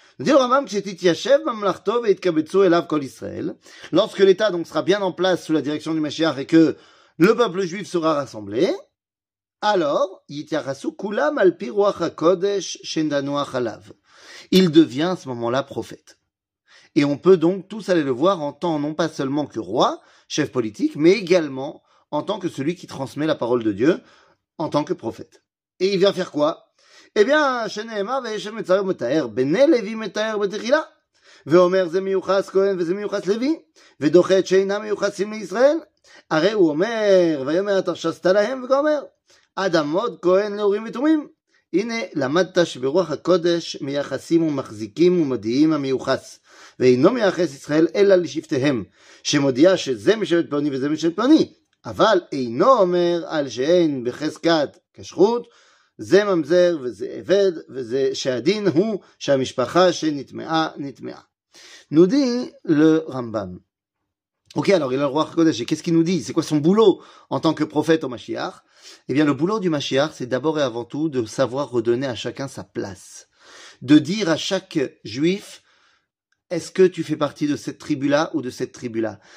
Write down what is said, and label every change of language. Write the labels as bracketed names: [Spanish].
[French] Lorsque l'État donc sera bien en place sous la direction du Mashiach et que le peuple juif sera rassemblé, alors il devient à ce moment-là prophète. Et on peut donc tous aller le voir en tant non pas seulement que roi, chef politique, mais également en tant que celui qui transmet la parole de Dieu en tant que prophète. Et il vient faire quoi? Eh bien, [Hebrew] שנאמר וישב מצרי ומתאר, בני לוי מתאר בתחילה, ואומר זה מיוחס כהן וזה מיוחס לוי, ודוחה את שאינם מיוחסים לישראל, הרי הוא אומר, ויאמר תרשסת להם וגומר, אדמות כהן לאורים ותומים, הנה למדת שברוח הקודש מייחסים ומחזיקים ומדיעים המיוחס, ואינו מייחס ישראל אלא לשבטיהם, שמודיע שזה משבט פלוני וזה משבט פלוני, אבל אינו אומר על שאין בחזקת כשרות, זה ממזר וזה עבד וזה שהדין הוא שהמשפחה שנטמעה נטמעה. [French] Nous dit le Rambam. Ok, alors il a le Ruach Kodesh, et qu'est-ce qu'il nous dit? C'est quoi son boulot en tant que prophète au Mashiach? Eh bien, le boulot du Mashiach, c'est d'abord et avant tout de savoir redonner à chacun sa place. De dire à chaque juif, est-ce que tu fais partie de cette tribu-là ou de cette tribu-là?